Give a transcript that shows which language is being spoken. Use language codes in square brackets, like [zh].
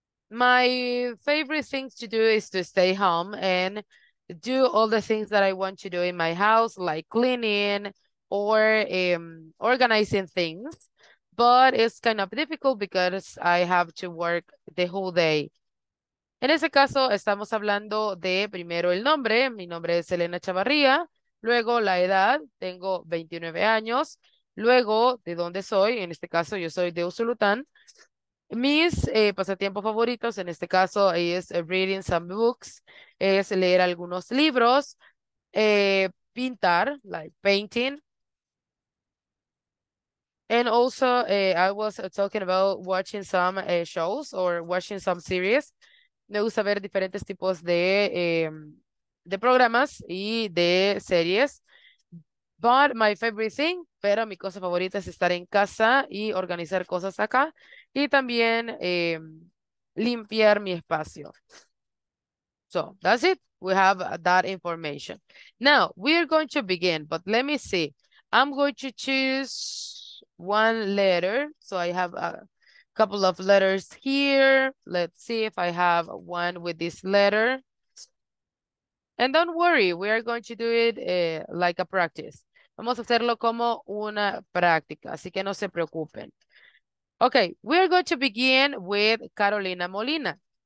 [en] My favorite things to do is to stay home and do all the things that I want to do in my house, like cleaning or organizing things. But it's kind of difficult because I have to work the whole day. [es] En ese caso, estamos hablando de primero el nombre. Mi nombre es Elena Chavarría. Luego, la edad. Tengo 29 años. Luego, de dónde soy. En este caso, yo soy de Usulután. Mis pasatiempos favoritos, en este caso, es [en] reading some books, [es] es leer algunos libros, pintar, [en] like painting. And also, I was talking about watching some shows or watching some series. [es] Me gusta ver diferentes tipos de programas y de series. [en] But my favorite thing, [es] pero mi cosa favorita es estar en casa y organizar cosas acá. Y también limpiar mi espacio. [en] So, that's it. We have that information. Now, we are going to begin, but let me see. I'm going to choose one letter. So, I have a couple of letters here. Let's see if I have one with this letter. And don't worry, we are going to do it like a practice. [es] Vamos a hacerlo como una práctica, así que no se preocupen. [en] Okay, we are going to begin with Carolina Molina.